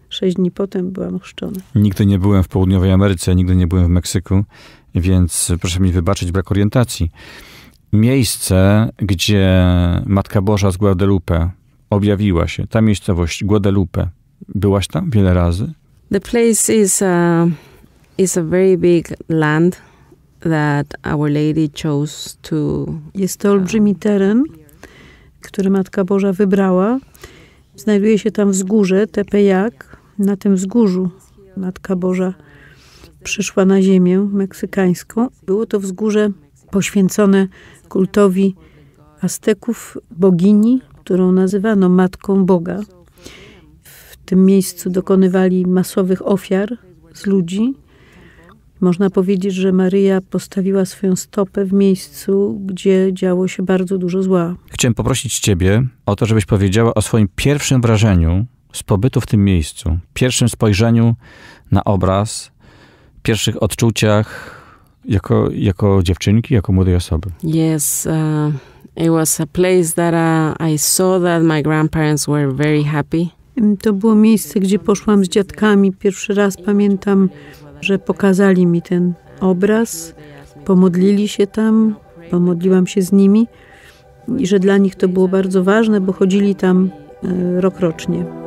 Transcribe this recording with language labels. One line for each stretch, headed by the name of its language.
Polish: 6 dni potem byłam ochrzczona. Nigdy nie byłem w południowej Ameryce, nigdy nie byłem w Meksyku, więc proszę mi wybaczyć brak orientacji. Miejsce, gdzie Matka Boża z Guadalupe objawiła się, ta miejscowość Guadalupe, byłaś tam wiele razy?
English: The place is a very big land that Our Lady chose to.
Polish: Jest to olbrzymi teren, który Matka Boża wybrała. Znajduje się tam wzgórze Tepeyac. Na tym wzgórzu Matka Boża przyszła na ziemię meksykańską. Było to wzgórze poświęcone kultowi Azteków, bogini, którą nazywano Matką Boga. W tym miejscu dokonywali masowych ofiar z ludzi. Można powiedzieć, że Maryja postawiła swoją stopę w miejscu, gdzie działo się bardzo dużo zła. Chciałem poprosić ciebie o to, żebyś powiedziała o swoim pierwszym wrażeniu z pobytu w tym miejscu. Pierwszym spojrzeniu na obraz, pierwszych odczuciach jako dziewczynki, jako młodej osoby.
English: Yes, it was a place that I saw that my grandparents were very happy.
Polish: To było miejsce, gdzie poszłam z dziadkami. Pierwszy raz pamiętam, że pokazali mi ten obraz. Pomodlili się tam, pomodliłam się z nimi. I że dla nich to było bardzo ważne, bo chodzili tam rokrocznie.